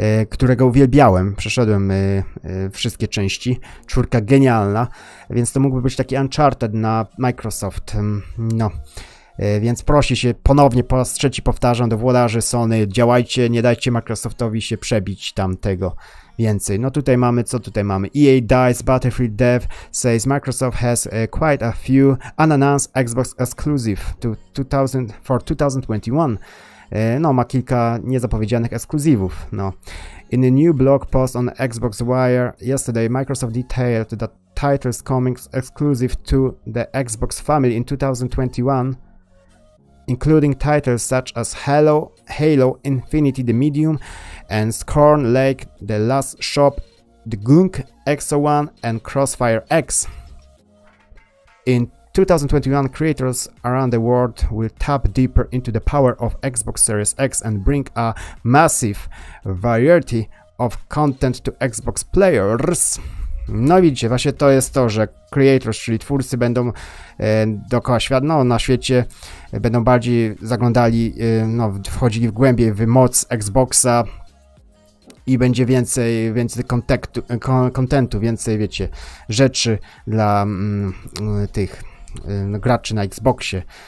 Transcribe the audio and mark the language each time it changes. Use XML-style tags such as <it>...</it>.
<pl>Którego uwielbiałem, przeszedłem wszystkie części, czwórka genialna, więc to mógłby być taki Uncharted na Microsoft, no. Więc proszę się ponownie, po raz trzeci powtarzam do włodarzy Sony, działajcie, nie dajcie Microsoftowi się przebić tamtego więcej. No tutaj mamy, co tutaj mamy?</pl> <en>EA Dice, Battlefield Dev says Microsoft has quite a few unannounced Xbox exclusive for 2021.</en> <pl>No, ma kilka niezapowiedzianych ekskluzywów, no.</pl> <en>In a new blog post on Xbox Wire yesterday, Microsoft detailed that titles coming exclusive to the Xbox family in 2021, including titles such as Halo Infinity the Medium and Scorn Lake the Last Shop, The Gunk, XO1 and Crossfire X. In 2021, creators around the world will tap deeper into the power of Xbox Series X and bring a massive variety of content to Xbox players.</en> <pl>No widzicie, właśnie to jest to, że creators, czyli twórcy, będą dookoła świata, no na świecie, będą bardziej zaglądali, no wchodzili w głębiej w moc Xboxa i będzie więcej contentu, więcej, wiecie, rzeczy dla tych graczy na Xboxie.</pl>